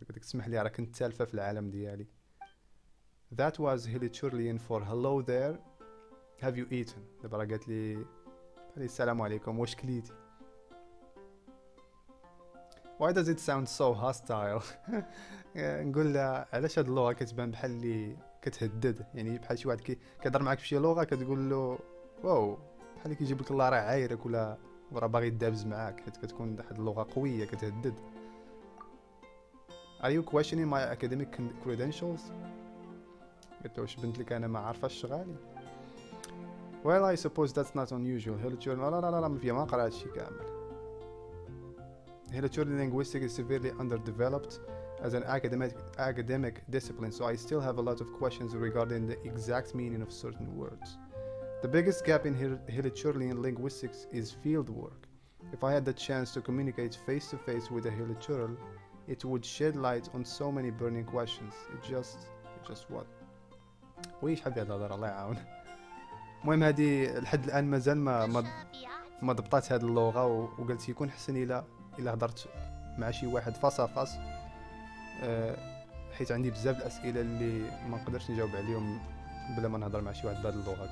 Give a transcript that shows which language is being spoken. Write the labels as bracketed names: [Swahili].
[Arabic] قلت لك اسمح لي، راه كنت تالفه في العالم ديالي. [English] That was Hilichurlian for hello there. Have you eaten? [Arabic] دابا راه قالت لي السلام عليكم، واش كليتي؟ [English] Why does it sound so hostile? [Arabic] نقول لها علاش هاد اللغة كتبان بحال اللي كتهدد، يعني بحال شي واحد كيهضر معاك بشي لغة كتقول له واو، بحال اللي كيجيب لك الله راه عايرك ولا ورا باغي يدابز معاك، حيت كتكون واحد اللغة قوية كتهدد. [English] Are you questioning my academic credentials؟ [Arabic] قلت له واش بنت لك انا ما عارفاش شغالي. [English] Well I suppose that's not unusual. [Arabic] Hilichurlian لا ما فيها، ما قرا هادشي كامل. [English] Hilichurlian linguistics is severely underdeveloped as an academic discipline, so I still have a lot of questions regarding the exact meaning of certain words. The biggest gap in Hilichurlian linguistics is fieldwork. If I had the chance to communicate face to face with a Hilichurl, it would shed light on so many burning questions. It just what? [Arabic] ويش حبي هذا الله يعاون. المهم هذه لحد الان مازال ما ضبطت هذه اللغه، وقلت يكون حسن الى هضرت مع شي واحد فصفص، حيت عندي بزاف الاسئله اللي ما نقدرش نجاوب عليهم بلا ما نهضر مع شي واحد بهاد اللغه.